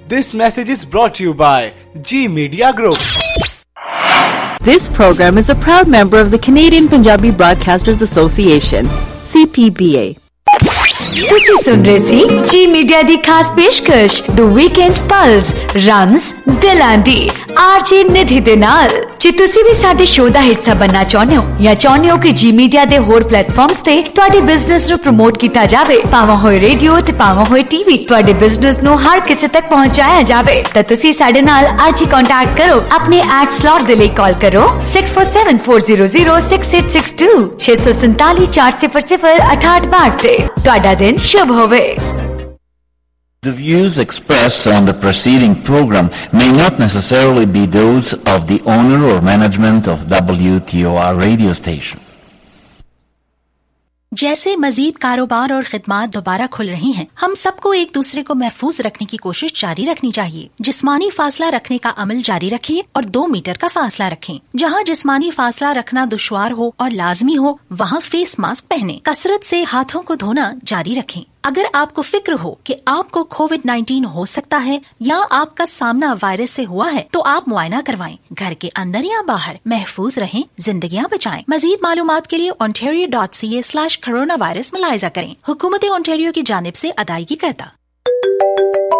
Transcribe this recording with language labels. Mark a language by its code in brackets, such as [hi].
[en] This message is brought to you by G Media Group. This program is a proud member of the Canadian Punjabi Broadcasters Association, CPBA. [pa] ਤੁਸੀਂ ਸੁਣ ਰਹੇ ਸੀ ਜੀ media ਦੀ ਖਾਸ ਪੇਸ਼ਕਸ਼ ਦ weekend plus runs ਦਿਲਾਂ ਦੀ ਆਰਜੀ ਨਿਧੀ ਦੇ ਨਾਲ ਜੇ ਤੁਸੀਂ ਵੀ ਸਾਡੇ ਸ਼ੋਅ ਦਾ ਹਿੱਸਾ ਬਣਨਾ ਚਾਹੁੰਦੇ ਹੋ ਜਾਂ ਚਾਹੁੰਦੇ ਹੋ ਕਿ ਜੀ ਮੀਡੀਆ ਦੇ ਹੋਰ ਪਲੇਟਫਾਰਮਸ ਤੇ ਤੁਹਾਡੇ ਬਿਜ਼ਨਸ ਨੂੰ ਪ੍ਰਮੋਟ ਕੀਤਾ ਜਾਵੇ ਭਾਵੇਂ ਹੋਏ ਰੇਡੀਓ ਤੇ ਭਾਵੇਂ ਹੋਏ ਟੀਵੀ ਤੁਹਾਡੇ ਬਿਜ਼ਨਸ ਨੂੰ ਹਰ ਕਿਸੇ ਤੱਕ ਪਹੁੰਚਾਇਆ ਜਾਵੇ ਤਾਂ ਤੁਸੀਂ ਸਾਡੇ ਨਾਲ ਅੱਜ ਹੀ ਕੰਟੈਕਟ ਕਰੋ ਆਪਣੇ ਐਡ ਸਲੋਟ ਦੇ ਲਈ ਕਾਲ ਕਰੋ 6474006862 6474006862 ਤੁਹਾਡਾ ਦਿਨ ਸ਼ੁਭ ਹੋਵੇ [en] The views expressed on the preceding program may not necessarily be those of the owner or management of WTOR radio station. [ur] جیسے مزید کاروبار اور خدمات دوبارہ کھل رہی ہیں ہم سب کو ایک دوسرے کو محفوظ رکھنے کی کوشش جاری رکھنی چاہیے جسمانی فاصلہ رکھنے کا عمل جاری رکھیں اور 2 میٹر کا فاصلہ رکھیں جہاں جسمانی فاصلہ رکھنا دشوار ہو اور لازمی ہو وہاں فیس ماسک پہنیں کثرت سے ہاتھوں کو دھونا جاری رکھیں اگر آپ کو فکر ہو کہ آپ کو COVID-19 ہو سکتا ہے یا آپ کا سامنا وائرس سے ہوا ہے تو آپ معائنہ کروائیں گھر کے اندر یا باہر محفوظ رہیں زندگیاں بچائیں مزید معلومات کے لیے ontario.ca/coronavirus ملاحظہ کریں حکومت اونٹیریو کی جانب سے ادائیگی کردہ